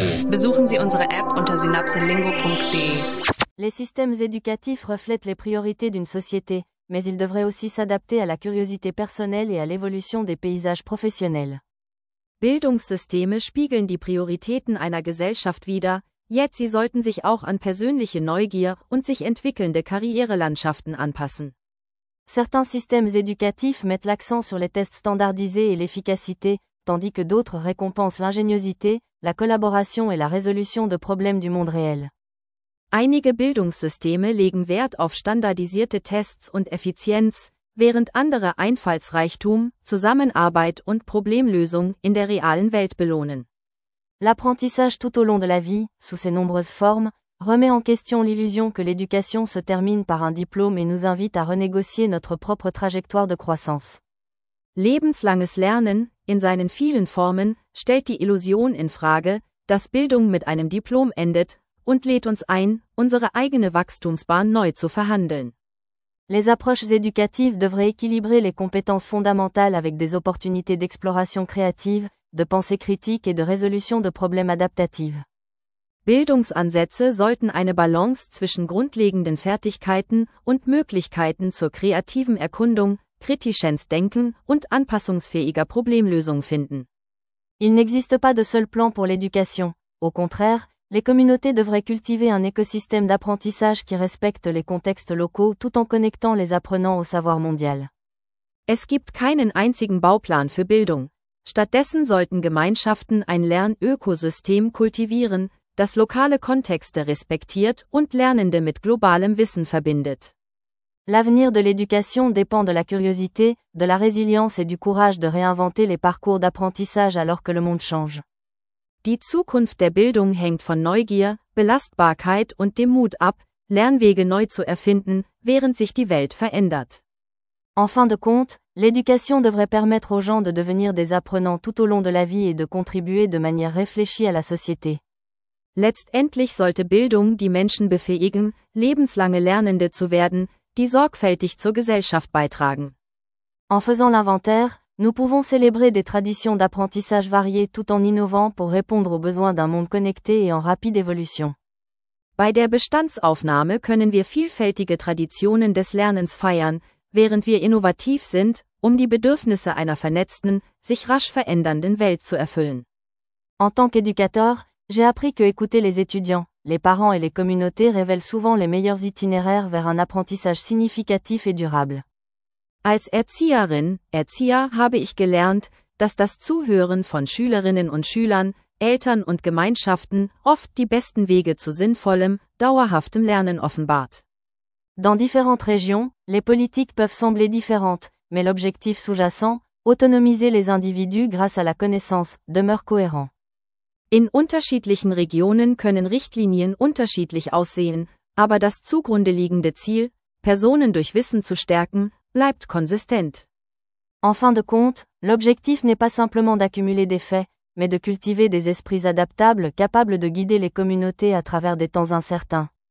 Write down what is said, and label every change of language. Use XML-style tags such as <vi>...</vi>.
<de>Besuchen Sie unsere App unter synapselingo.de.</de> <fr>Les systèmes éducatifs reflètent les priorités d'une société, mais ils devraient aussi s'adapter à la curiosité personnelle et à l'évolution des paysages professionnels.</fr> <de>Bildungssysteme spiegeln die Prioritäten einer Gesellschaft wider,</de> <en>yet</en> <de>sie sollten sich auch an persönliche Neugier und sich entwickelnde Karrierelandschaften anpassen.</de> <fr>Certains systèmes éducatifs mettent l'accent sur les tests standardisés et l'efficacité, tandis que d'autres récompensent l'ingéniosité, la collaboration et la résolution de problèmes du monde réel.</fr> <de>Einige Bildungssysteme legen Wert auf standardisierte Tests und Effizienz, während andere Einfallsreichtum, Zusammenarbeit und Problemlösung in der realen Welt belohnen.</de> <fr>L'apprentissage tout au long de la vie, sous ses nombreuses formes, remet en question l'illusion que l'éducation se termine par un diplôme et nous invite à renégocier notre propre trajectoire de croissance.</fr> <de>Lebenslanges Lernen, in seinen vielen Formen, stellt die Illusion in Frage, dass Bildung mit einem Diplom endet, und lädt uns ein, unsere eigene Wachstumsbahn neu zu verhandeln.</de> <fr>Les approches éducatives devraient équilibrer les compétences fondamentales avec des opportunités d'exploration créative, de pensée critique et de résolution de problèmes adaptatives.</fr> <de>Bildungsansätze sollten eine Balance zwischen grundlegenden Fertigkeiten und Möglichkeiten zur kreativen Erkundung, kritisches Denken und anpassungsfähiger Problemlösung finden.</de> <fr>Il n'existe pas de seul plan pour l'éducation. Au contraire, les communautés devraient cultiver un écosystème d'apprentissage qui respecte les contextes locaux tout en connectant les apprenants au savoir mondial.</fr> <de>Es gibt keinen einzigen Bauplan für Bildung. Stattdessen sollten Gemeinschaften ein Lernökosystem kultivieren, das lokale Kontexte respektiert und Lernende mit globalem Wissen verbindet.</de> <fr>L'avenir de l'éducation dépend de la curiosité, de la résilience et du courage de réinventer les parcours d'apprentissage alors que le monde change.</fr> <de>Die Zukunft der Bildung hängt von Neugier, Belastbarkeit und dem Mut ab, Lernwege neu zu erfinden, während sich die Welt verändert.</de> <fr>En fin de compte, l'éducation devrait permettre aux gens de devenir des apprenants tout au long de la vie et de contribuer de manière réfléchie à la société.</fr> <de>Letztendlich sollte Bildung die Menschen befähigen, lebenslange Lernende zu werden, die sorgfältig zur Gesellschaft beitragen.</de> <fr>En faisant l'inventaire, nous pouvons célébrer des traditions d'apprentissage variées tout en innovant pour répondre aux besoins d'un monde connecté et en rapide évolution.</fr> <de>Bei der Bestandsaufnahme können wir vielfältige Traditionen des Lernens feiern, während wir innovativ sind, um die Bedürfnisse einer vernetzten, sich rasch verändernden Welt zu erfüllen.</de> <fr>En tant qu'éducateur, j'ai appris que écouter les étudiants, les parents et les communautés révèle souvent les meilleurs itinéraires vers un apprentissage significatif et durable.</fr> <de>Als Erzieherin, Erzieher habe ich gelernt, dass das Zuhören von Schülerinnen und Schülern, Eltern und Gemeinschaften oft die besten Wege zu sinnvollem, dauerhaftem Lernen offenbart.</de> <fr>Dans différentes régions, les politiques peuvent sembler différentes, mais l'objectif sous-jacent, autonomiser les individus grâce à la connaissance, demeure cohérent.</fr> <de>In unterschiedlichen Regionen können Richtlinien unterschiedlich aussehen, aber das zugrunde liegende Ziel, Personen durch Wissen zu stärken, bleibt konsistent.</de> <fr>En fin de compte, l'objectif n'est pas simplement d'accumuler des faits, mais de cultiver des esprits adaptables capables de guider les communautés à travers des temps incertains.</fr>